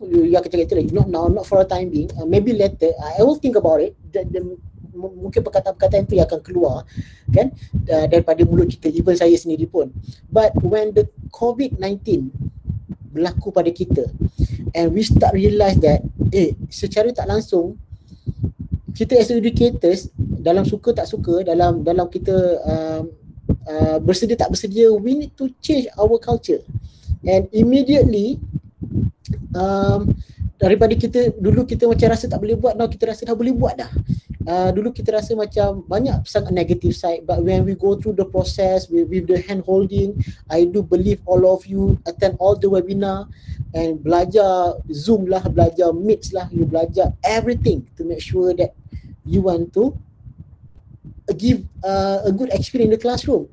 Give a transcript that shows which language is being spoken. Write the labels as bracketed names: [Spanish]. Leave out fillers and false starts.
[English] You are [Malay] kecil lagi, [English] not now, not for a time being. Maybe later, I will think about it. [Malay] Mungkin perkataan-perkataan itu yang akan keluar, kan, daripada mulut kita, even saya sendiri pun. [English] But when the COVID-19 [Malay] berlaku pada kita, [English] and we start realize that, [Malay] secara tak langsung, kita [English] as educators, [Malay] dalam suka tak suka, dalam kita bersedia tak bersedia, [English] we need to change our culture. And immediately, [Malay] daripada kita, dulu kita macam rasa tak boleh buat, [English] now [Malay] kita rasa dah boleh buat dah. Dulu kita rasa macam banyak sangat [English] negative side, but when we go through the process with the hand holding, I do believe all of you attend all the webinar and [Malay] belajar Zoom lah, belajar Meet lah, [English] you [Malay] belajar [English] everything to make sure that you want to give a good experience in the classroom.